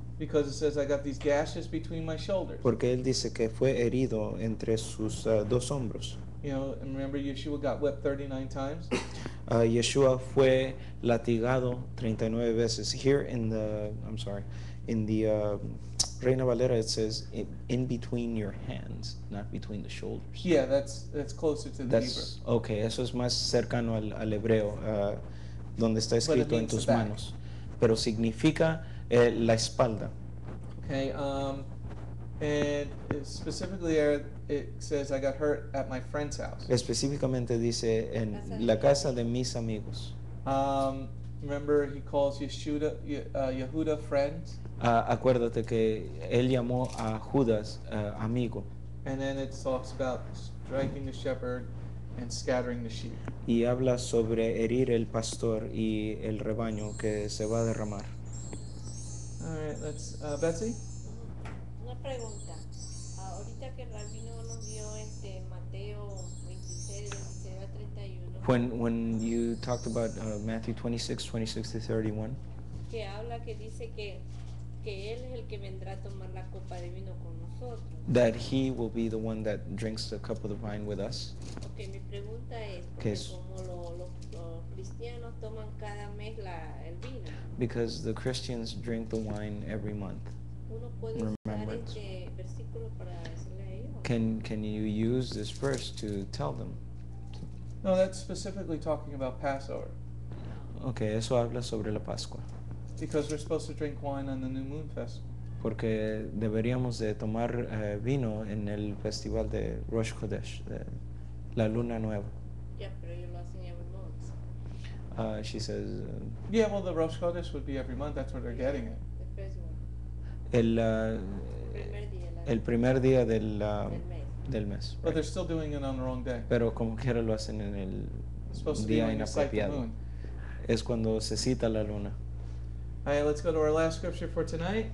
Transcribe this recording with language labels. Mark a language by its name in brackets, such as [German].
[English] Because it says, I got these gashes between my shoulders. [Spanish] Porque él dice que fue herido entre sus dos hombros. [English] You know, and remember Yeshua got whipped 39 times? [Spanish] Yeshua fue latigado 39 veces. [English] Here in the, I'm sorry, in the Reina Valera, it says, in between your hands, not between the shoulders. Yeah, that's closer to that's, the Hebrew. [Spanish] Okay, eso es más cercano al Hebreo, donde está escrito en tus manos. Pero significa la espalda. [English] Okay, and specifically there, it says, I got hurt at my friend's house. [Spanish] Específicamente dice, en la casa de mis amigos. [English] Remember, he calls Yeshua, Yehuda friends. [Spanish] Acuérdate que él llamó a Judas amigo. [English] And then it talks about striking the shepherd and scattering the sheep. [Spanish] Y habla sobre herir el pastor y el rebaño que se va a derramar. [English] All right, let's, Betsy. [Spanish] Una pregunta. Ahorita que el rabino nos dio este Mateo 26:31. [English] When you talked about Matthew 26:26-31. [Spanish] Que habla que dice que él es el que vendrá a tomar la copa de vino con nosotros. [English] That he will be the one that drinks the cup of the vine with us. [Spanish] Okay, mi pregunta es, porque como los cristianos toman cada mes el vino. [English] Because the Christians drink the wine every month. [Spanish] Uno puede [English] remember [Spanish] usar este versículo para decirle a ellos. [English] Can you use this verse to tell them? No, that's specifically talking about Passover. [Spanish] Okay, eso habla sobre la Pascua. [English] Because we're supposed to drink wine on the New Moon Festival. [Spanish] Porque deberíamos de tomar vino en el festival de Rosh Chodesh, la luna nueva. Yeah, pero ellos lo hacen [English] every month. She says... yeah, well, the Rosh Chodesh would be every month. That's where they're getting it. The first one. [Spanish] El primer día del mes. Del mes. [English] But right. They're still doing it on the wrong day. [Spanish] Pero como quiera lo hacen en el día inapropiado. Es cuando se cita la luna. [English] All right, let's go to our last scripture for tonight.